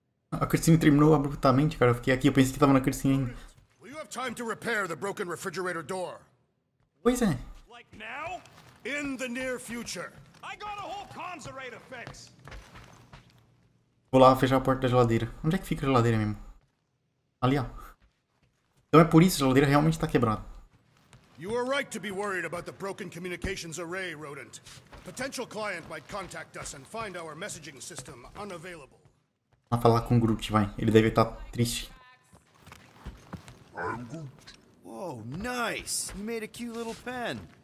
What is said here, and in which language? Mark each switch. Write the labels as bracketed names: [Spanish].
[Portuguese] A cutscene terminou abruptamente, cara. Eu fiquei aqui, eu pensei que tava na cutscene ainda. [English] Will you have time to repair the broken refrigerator door? [Portuguese] Pois é. [English] Like now? In the near future. I got a whole comms array to fix. [Portuguese] Vou lá fechar a porta da geladeira. Onde é que fica a geladeira mesmo? Ali, ó. Então é por isso que a geladeira realmente tá quebrada. [English] You are right to be worried about the broken communications array, Rodent. A potential client might contact us and find our messaging system unavailable. [Portuguese] A falar com o Groot, vai. Ele deve estar triste. [English] I'm Groot. Whoa, nice! You made a cute little pen.